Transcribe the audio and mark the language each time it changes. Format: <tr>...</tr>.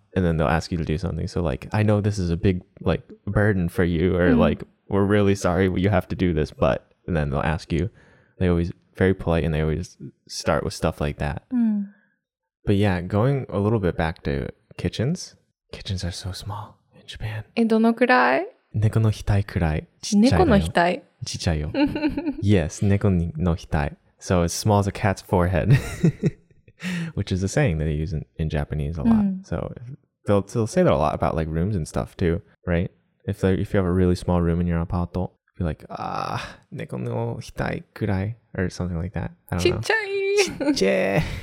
<en>And then they'll ask you to do something. So like, I know this is a big like burden for you or like, we're really sorry you have to do this, but. And then they'll ask you. They always very polite and they always start with stuff like that. But yeah, going a little bit back to kitchens. Kitchens are so small in Japan.</en> <ja>どのくらい? 猫の額くらい。猫の額。ちっちゃいよ。</ja> <en>Yes,</en> <ja>猫の額.</ja> <en>So as small as a cat's forehead. Which is a saying that they use in Japanese a lot. So they'll say that a lot about like rooms and stuff too, right? If you have a really small room in your apartment, be like, ah,</en> <ja>猫の額くらい,</ja> <en>or something like that.</en> <ja>ちっちゃい。ちっちゃい。</ja>